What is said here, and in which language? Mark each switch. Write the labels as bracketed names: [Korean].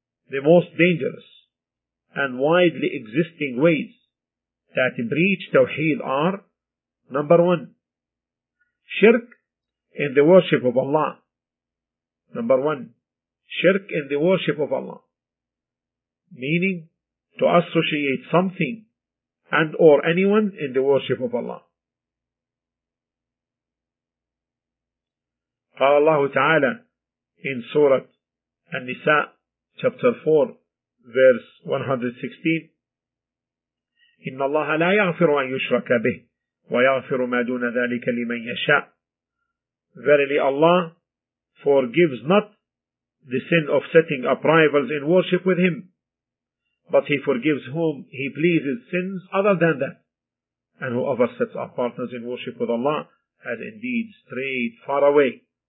[English] The most dangerous and widely existing ways that breach Tawheed are: number one, shirk in the worship of Allah. Number one, shirk in the worship of Allah, meaning to associate something and or anyone in the worship of Allah. [Arabic] قال الله تعالى [English] in Surah An-Nisa, chapter 4, verse 116, [Arabic] إِنَّ اللَّهَ لَا يَغْفِرُ أَنْ يُشْرَكَ بِهِ وَيَغْفِرُ مَا دُونَ ذَلِكَ لِمَنْ يَشَاءُ. [English] Verily Allah forgives not the sin of setting up rivals in worship with Him, but He forgives whom He pleases sins other than that. And whoever sets up partners in worship with Allah has indeed strayed far away.